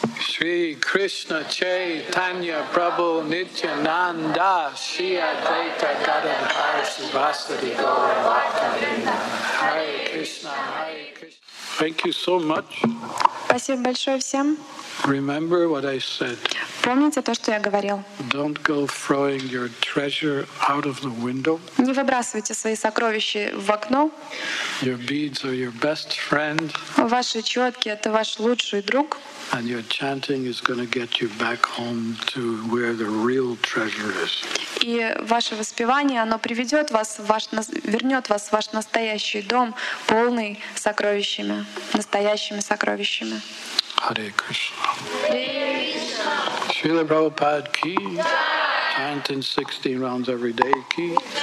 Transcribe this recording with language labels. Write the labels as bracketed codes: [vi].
[sa] Shri Krishna Chaitanya Prabhu Nityananda Shri Advaita Gadadhara Subhasati Gaurava Hare Krishna, Hare Krishna. [en] Thank you so much. Remember what I said. [ru] Помните то, что я говорил. [en] Don't go throwing your treasure out of the window. [ru] Не выбрасывайте свои сокровища в окно. [en] Your beads are your best friend. [ru] Ваши четки — это ваш лучший друг. [en] And your chanting is going to get you back home to where the real treasure is. [ru] И ваше воспевание, оно приведет вас, вернет вас в ваш настоящий дом, полный сокровищами, настоящими сокровищами. [sa] Hare Krishna. Hare Krishna. [en] Srila Prabhupada ki. Chanting 16 rounds every day ki.